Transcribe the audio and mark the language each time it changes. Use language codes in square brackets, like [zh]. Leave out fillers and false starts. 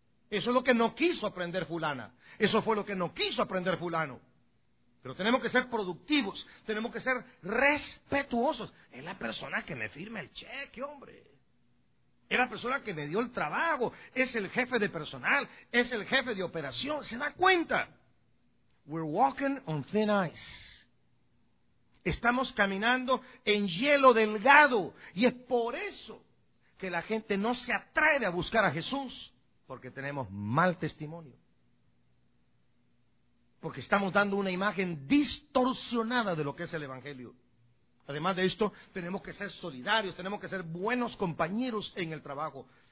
[es] Eso es lo que no quiso aprender fulana. Eso fue lo que no quiso aprender fulano. Pero tenemos que ser productivos. Tenemos que ser respetuosos. Es la persona que me firma el cheque, hombre. Es la persona que me dio el trabajo. Es el jefe de personal. Es el jefe de operación. ¿Se da cuenta? [en] We're walking on thin ice. [es] Estamos caminando en hielo delgado. Y es por eso que la gente no se atreve a buscar a Jesús. Porque tenemos mal testimonio. Porque estamos dando una imagen distorsionada de lo que es el evangelio. Además de esto, tenemos que ser solidarios, tenemos que ser buenos compañeros en el trabajo.